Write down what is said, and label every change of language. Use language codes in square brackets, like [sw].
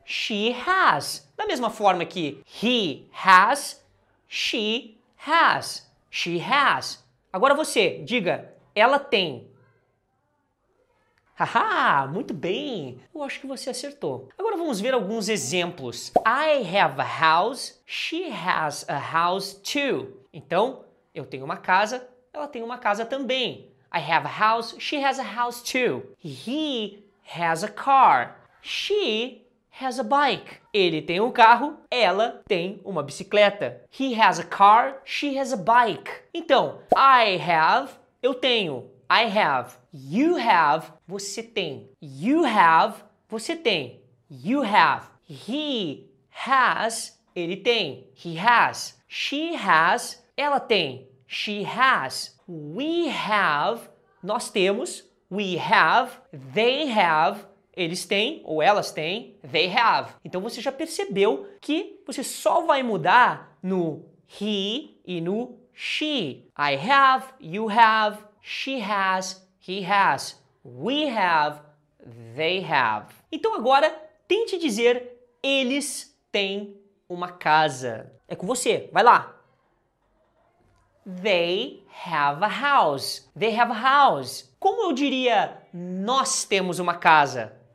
[en] She has. [pt] Da mesma forma que [en] he has, she has. She has. [pt] Agora você diga ela tem. Haha, muito bem. Eu acho que você acertou. Agora vamos ver alguns exemplos. [en] I have a house, she has a house too. [pt] Então, eu tenho uma casa, ela tem uma casa também. [en] I have a house, she has a house too. He has a car, she has a bike. [pt] Ele tem um carro, ela tem uma bicicleta. [en] He has a car, she has a bike. Então, I have, [pt] eu tenho. [en] I have, you have, [pt] você tem. [en] You have, [pt] você tem. [en] You have. He has, [pt] ele tem. [en] He has. She has, [pt] ela tem. [en] She has. We have, [pt] nós temos. [en] We have. They have, [pt] eles têm ou elas têm. They have. Então você já percebeu que você só vai mudar no he e no she. [en] I have, you have, she has, he has. We have, they have. [pt] Então agora tente dizer eles têm uma casa. É com você, vai lá. [en] They have a house. They have a house. [pt] Como eu diria nós temos uma casa?